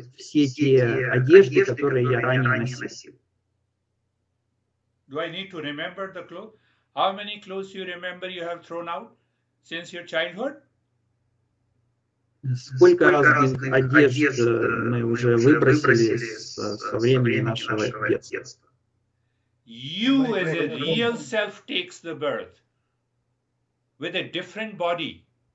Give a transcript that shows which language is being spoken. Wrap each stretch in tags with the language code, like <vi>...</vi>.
<ru>Я меняю свое тело точно так же, как одежду. Должен ли я помнить все те одежды, которые я ранее носил?</ru> <en>Do I need to remember the clothes? How many clothes you remember you have thrown out since your childhood?</en> <ru>Сколько разных одежд мы уже выбросили со времени нашего детства?</ru> <en>You as a real self takes the birth with a different body.</en>